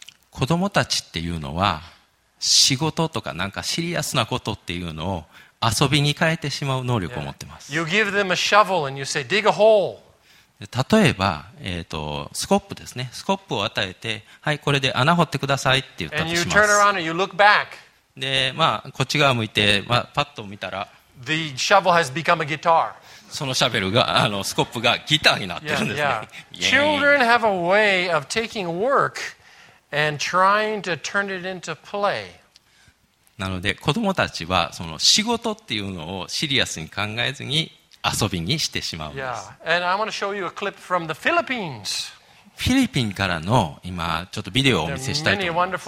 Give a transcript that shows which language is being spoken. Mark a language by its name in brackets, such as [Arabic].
[Japanese] 子供たちっていうのは仕事とかなんかシリアスなことっていうのを遊びに変えてしまう能力を持ってます。 [English] You give them a shovel and you say, dig a hole. [Japanese] 例えば、スコップですね。スコップを与えて、はい、これで穴掘ってくださいって言ったとします。 [English] And you turn around and you look back. [Japanese] で、まあ、こっち側向いて、まあ、パッと見たら、 [English] The shovel has become a guitar. [Japanese] そのシャベルが、あの、スコップがギターになってるんですね。 [English] Yeah, yeah. Children have a way of taking work and trying to turn it into play. [Japanese] なので、子供たちは、その仕事っていうのをシリアスに考えずに、遊びにしてしまうんです。 [English] Yeah. And I want to show you a clip from the Philippines. [Japanese] フィリピンからの今ちょっとビデオをお見せしたいと思います。